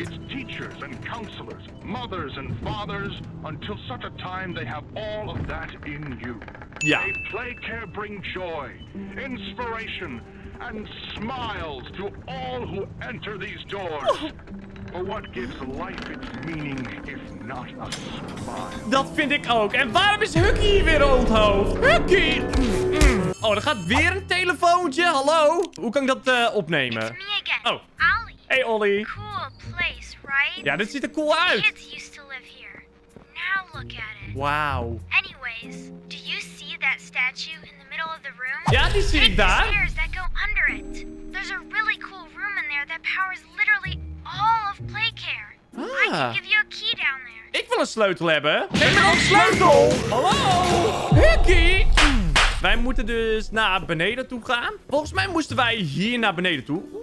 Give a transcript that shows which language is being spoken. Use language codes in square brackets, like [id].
[en] It's teachers and counselors, mothers and fathers, until such a time they have all of that in you. [nl] Ja. [en] They play care bring joy, inspiration, and smiles to all who enter these doors. But what gives life its meaning if not a smile? [nl] Dat vind ik ook. En waarom is Huggy hier weer onthoofd? Huggy! Oh, er gaat weer een telefoontje. Hallo? Hoe kan ik dat opnemen? [en] It's me again. Oh. Ollie. Hey, Ollie. Cool place, right? [nl] Ja, dit ziet er cool uit. [en] Kids used to live here. Now look at it. Wow. Anyways, do you see that statue in the middle of the room? [nl] Ja, die zie ik daar. [en] The stairs that go under it. There's a really cool room in there that powers literally... All of Playcare. Ah. I can give you a key down there. [nl] Ik wil een sleutel hebben. Geef me een sleutel. Hallo? Hickey? Wij moeten dus naar beneden toe gaan. Volgens mij moesten wij hier naar beneden toe.